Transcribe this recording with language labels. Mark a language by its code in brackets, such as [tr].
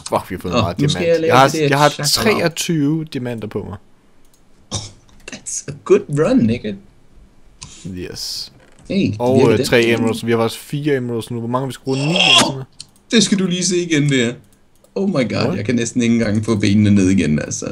[da] Fuck, vi har fået meget diamant. Jeg har 23 diamanter på mig. [en] Oh, that's a good run, nigga. Yes. Hey, [da] og 3 emeralds. Vi har faktisk 4 emeralds nu. Hvor mange vi skal bruge? 9 Det skal du lige se igen der. [en] Oh my god, what? [da] Jeg kan næsten ikke engang få benene ned igen, altså.